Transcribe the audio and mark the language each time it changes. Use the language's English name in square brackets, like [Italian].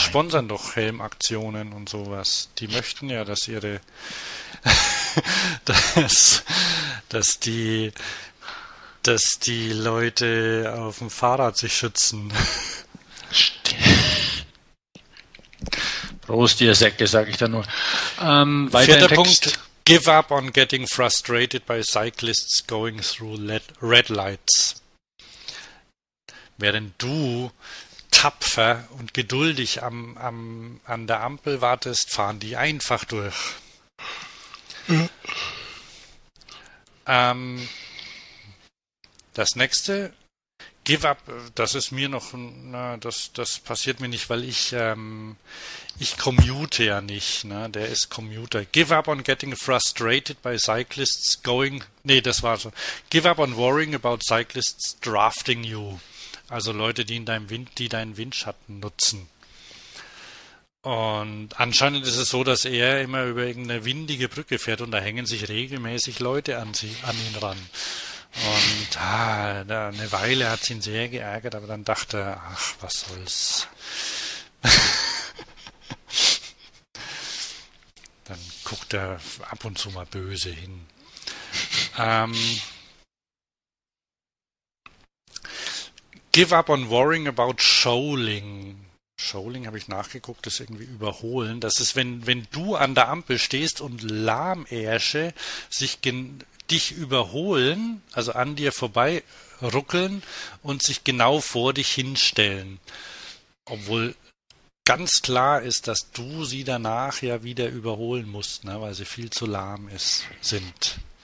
[German] sponsern doch Helmaktionen und sowas. Die möchten ja, dass ihre dass die Leute auf dem Fahrrad sich schützen. Prost, ihr Säcke, sage ich da nur. Weiter im Vierter Punkt: Text. [English] Give up on getting frustrated by cyclists going through red lights. [German] Während du tapfer und geduldig an der Ampel wartest, fahren die einfach durch. Das nächste, [English] give up, [German] das ist mir noch, na, das passiert mir nicht, weil ich commute ja nicht, ne? Der ist Commuter. [English] Give up on getting frustrated by cyclists going, [German] nee, das war so. [English] Give up on worrying about cyclists drafting you. [German] Also Leute, die deinen Windschatten nutzen. Und anscheinend ist es so, dass er immer über irgendeine windige Brücke fährt und da hängen sich regelmäßig Leute an ihn ran. Und eine Weile hat es ihn sehr geärgert, aber dann dachte er, ach, was soll's. Dann guckt er ab und zu mal böse hin. [English] Give up on worrying about Showing. [German] Showing habe ich nachgeguckt, das ist irgendwie überholen. Das ist, wenn du an der Ampel stehst und Lahmärsche dich überholen, also an dir vorbei ruckeln und sich genau vor dich hinstellen. Obwohl ganz klar ist, dass du sie danach ja wieder überholen musst, ne, weil sie viel zu lahm sind.